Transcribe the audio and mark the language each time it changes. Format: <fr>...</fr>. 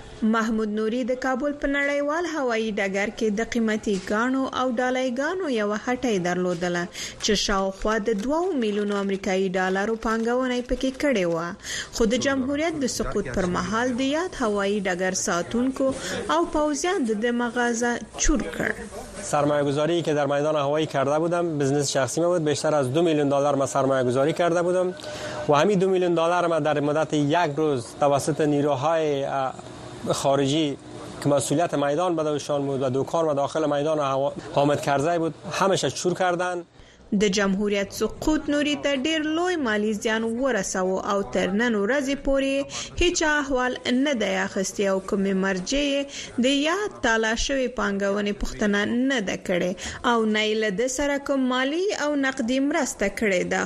<ps>محمود نوری د کابل په نړیوال هوایی ډګر کې د قیمتي ګانو او ډالۍ ګانو یو هټۍ درلودله چې شاوخوا د 2 میلیونو امریکایي ډالرو پانګونې پکې کړې و. خو د جمهوریت د سقوط پر مهال د یاد هوایی ډګر ساتونکو او پوځیان د مغازه چور کړ.</ps> <fa>سرمایه گذاری که در میدان هوایی کرده بودم بزنس شخصی بود، بیشتر از 2 میلیون دلار ما سرمایه گذاری کرده بودم و همین 2 میلیون دلار ما در مدت یک روز توسط نیروهای خارجی که مسئولیت میدان به دوشان بود و دوکان و داخل میدان حامد کرزی بود همش چور کردن.</fa> <ps>د جمهوریت سقوط نوری تر ډیر لوی مالی زیان ورسو او تر نن ورځې پورې هیڅ احوال نه دی اخستی او کوم مرجع د یاد تلاشوي پانګونې پښتنه نه ده کړې او نه له د سره کوم مالی او نقدي مرسته کړې ده.</ps>